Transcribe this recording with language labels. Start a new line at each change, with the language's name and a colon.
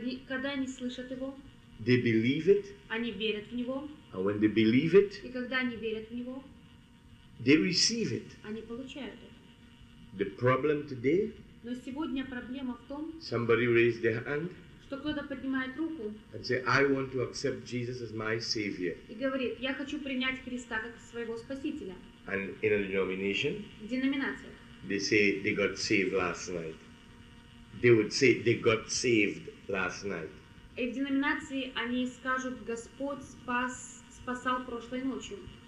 Russian: когда они слышат его,
English: they believe it.
Russian: Они верят в него.
English: And when they believe it,
Russian: и когда они верят в него,
English: they receive it.
Russian: Они получают это.
English: The problem today.
Russian: Но сегодня проблема в том.
English: Somebody raised their hand.
Russian: Что кто-то поднимает руку.
English: And say, I want to accept Jesus as my savior.
Russian: И говорит, я хочу принять Христа как своего спасителя.
English: And in a denomination.
Russian: В деноминациях.
English: They say they got saved last night. They would say they got saved last night.
Russian: И в деноминации они скажут, Господь спасал прошлой ночью.